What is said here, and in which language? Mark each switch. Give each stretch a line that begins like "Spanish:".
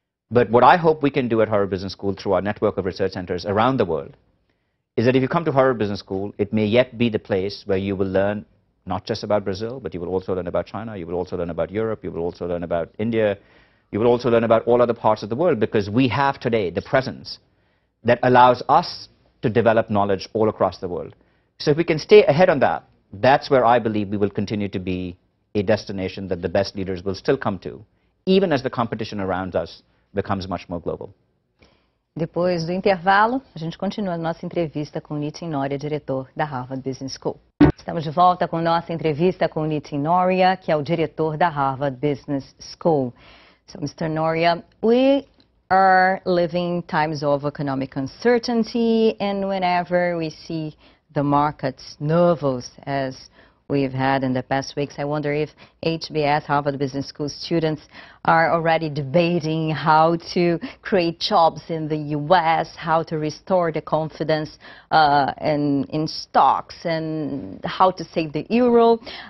English: But what I hope we can do at Harvard Business School through our network of research centers around the world is that if you come to Harvard Business School, it may yet be the place where you will learn not just about Brazil, but you will also learn about China, you will also learn about Europe, you will also learn about India, you will also learn about all other parts of the world, because we have today the presence that allows us to develop knowledge all across the world. So if we can stay ahead on that, that's where I believe we will continue to be a destination that the best leaders will still come to, even as the competition around us becomes much more global.
Portuguese: Depois do intervalo, a gente continua a nossa entrevista com Nitin Nohria, diretor da Harvard Business School. Estamos de volta com nossa entrevista com Nitin Nohria, que é o diretor da Harvard Business School.
English: So, Mr. Nohria, we are living times of economic uncertainty, and whenever we see the markets nervous, as we've had in the past weeks, I wonder if HBS, Harvard Business School students, are already debating how to create jobs in the U.S., how to restore the confidence in stocks, and how to save the euro.